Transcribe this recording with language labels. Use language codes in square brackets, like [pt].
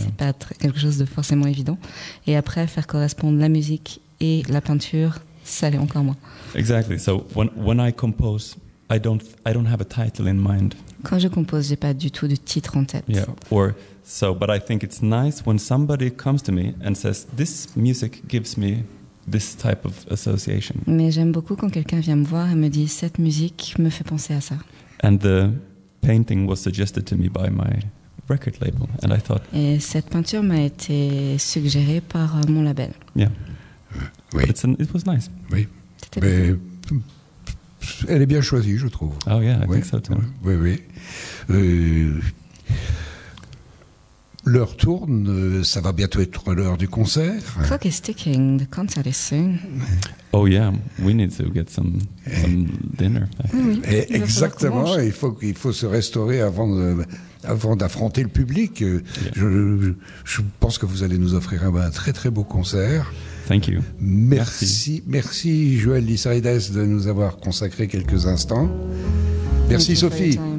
[fr] C'est pas quelque chose de forcément évident. Et après, faire correspondre la musique et la peinture, ça l'est encore moins. [en] Exactly. So when I compose, I don't have a title in mind. [fr] Quand je compose, j'ai pas du tout de titre en tête. [en] Yeah. Or so, but I think it's nice when somebody comes to me and says, "This music gives me this type of association." [fr] Mais j'aime beaucoup quand quelqu'un vient me voir et me dit, "Cette musique me fait penser à ça." [en] And the painting was suggested to me by my record label, and I thought. [fr] Et cette peinture m'a été suggérée par mon label. [en] Yeah. [fr] Oui. [en] It was nice. [fr] Oui. C'était bien. Elle est bien choisie, je trouve. [en] Oh yeah, I think so too. [fr] Oui, oui. L'heure tourne, ça va bientôt être l'heure du concert. [en] The clock is ticking, the concert is soon. Oh yeah, we need to get some dinner. [fr] Et exactement, il faut se restaurer avant d'affronter le public. Je pense que vous allez nous offrir un très très beau concert. [en] Thank you. [fr] Merci Joël Lissarides de nous avoir consacré quelques instants. Merci Sophie.